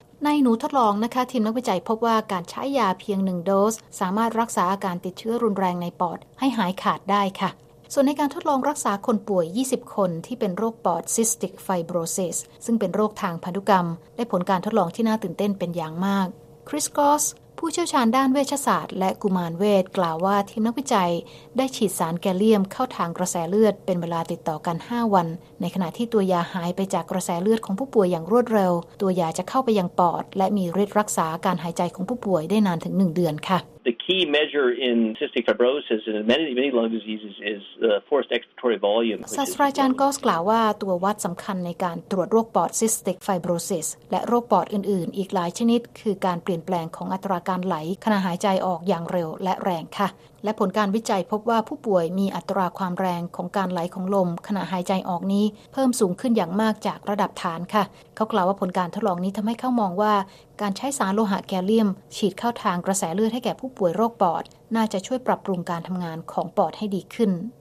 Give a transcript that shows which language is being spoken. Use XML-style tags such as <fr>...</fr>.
<th>ในหนูทดลองนะคะทีมนักวิจัยพบว่าการใช้ยาเพียง1โดสสามารถรักษาอาการติดเชื้อรุนแรงในปอดให้หายขาดได้ค่ะส่วนในการทดลองรักษาคนป่วย20คนที่เป็นโรคปอดซิสติกไฟโบรซิสซึ่งเป็นโรคทางพันธุกรรมได้ผลการทดลองที่น่าตื่นเต้นเป็นอย่างมากคริสกอสผู้เชี่ยวชาญด้านเวชศาสตร์และกุมารเวชกล่าวว่าทีมนักวิจัย ได้ฉีดสารแกลเลียมเข้าทางกระแสเลือดเป็นเวลาติดต่อกัน5วันในขณะที่ตัวยาหายไปจากกระแสเลือดของผู้ป่วยอย่างรวดเร็วตัวยาจะเข้าไปยังปอดและมีฤทธิ์รักษาการหายใจของผู้ป่วยได้นานถึง1เดือนค่ะ</th> <en>The key measure in cystic fibrosis and many lung diseases is the forced expiratory volume</en> <th>ศาสตราจารย์ก็กล่าวว่าตัววัดสำคัญในการตรวจโรคปอด cystic fibrosis และโรคปอดอื่นๆอีกหลายชนิดคือการเปลี่ยนแปลงของอัตราการไหลขณะหายใจออกอย่างเร็วและแรงค่ะและผลการวิจัยพบว่าผู้ป่วยมีอัตราความแรงของการไหลของลมขณะหายใจออกนี้เพิ่มสูงขึ้นอย่างมากจากระดับฐานค่ะเขากล่าวว่าผลการทดลองนี้ทำให้เขามองว่าการใช้สารโลหะแกลเลียมฉีดเข้าทางกระแสเลือดให้แก่ผู้ป่วยโรคปอดน่าจะช่วยปรับปรุงการทำงานของปอดให้ดีขึ้น</th>